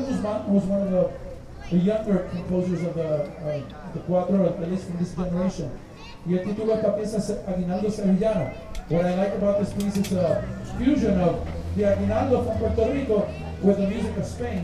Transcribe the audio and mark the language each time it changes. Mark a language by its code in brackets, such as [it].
[en] The younger composers of the cuatro, at least from this generation. [es] Y el título de esta pieza es Aguinaldo Sevillano. [en] What I like about this piece is a fusion of the Aguinaldo from Puerto Rico with the music of Spain.